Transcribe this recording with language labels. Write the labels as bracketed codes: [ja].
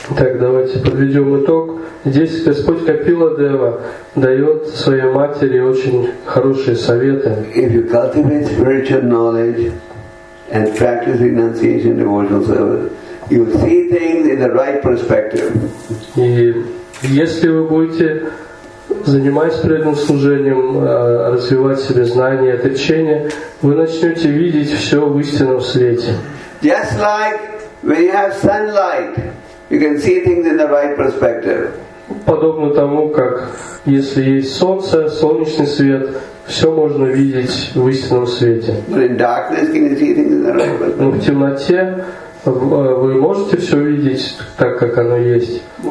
[ru] Так, давайте подведем итог. Здесь Господь Капила Дева дает своей матери очень хорошие советы. [en] If you cultivate spiritual knowledge, and practice renunciation and devotional service, you see things in the right perspective. [ru] И если вы будете заниматься преданным служением, развивать себе знания, отречение, вы начнете видеть все в истинном свете. [en] Just like when you have sunlight, you can see things in the right perspective. [ru] Подобно тому, как если есть солнце, солнечный свет, все можно видеть в истинном свете. Но в темноте вы можете все видеть так, как оно есть.